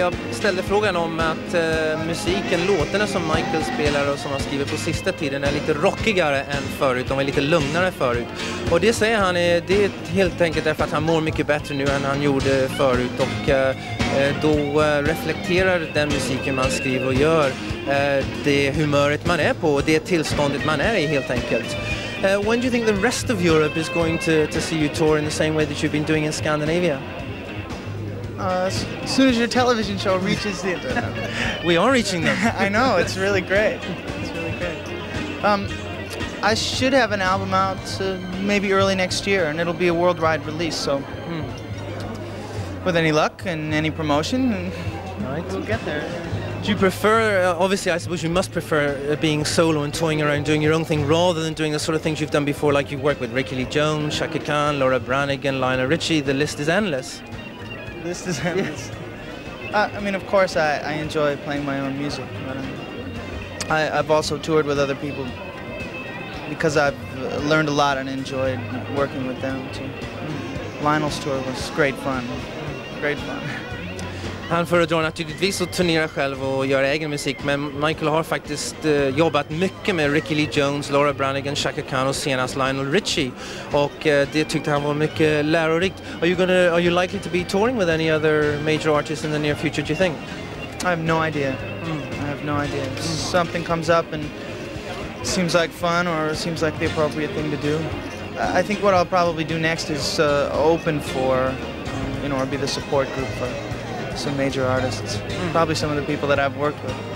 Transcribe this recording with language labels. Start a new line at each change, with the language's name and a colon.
Swedish: ställde frågan om att musiken, låtarna som Michael spelar och som han skriver på sista tiden är lite rockigare än förut, de är lite lugnare förut. Och det säger han, det är helt enkelt därför att han mår mycket bättre nu än han gjorde förut. Och då reflekterar den musiken man skriver och gör det humöret man är på och det tillståndet man är i helt enkelt.
English: When do you think the rest of Europe is going to see you tour in the same way that you've been doing in Scandinavia? As soon as your television show reaches the internet. We are reaching them. I know, it's really great. It's really great. I should have an album out maybe early next year, and it'll be a worldwide release, so... Hmm. With any luck and any promotion, right. We'll get there. Do you prefer, obviously I suppose you must prefer being solo and toying around doing your own thing rather than doing the sort of things you've done before, like you've worked with Ricky Lee Jones, Chaka Khan, Laura Branigan, Lionel Richie, the list is endless. This is endless. I mean, of course, I enjoy playing my own music. But I've also toured with other people because I've learned a lot and enjoyed working with them too. Lionel's tour was great fun. Great fun.
Swedish: Han föredrar naturligtvis att turnera själv och göra egen musik, men Michael har faktiskt jobbat mycket med Ricky Lee Jones, Laura Branigan, Chaka Khan och senast Lionel Richie. Och det tyckte han var mycket lärorikt.
English: Are you likely to be touring with any other major artists in the near future, do you think? I have no idea. I have no idea. Something comes up and seems like fun or seems like the appropriate thing to do. I think what I'll probably do next is open for, you know, or be the support group for some major artists, probably some of the people that I've worked with.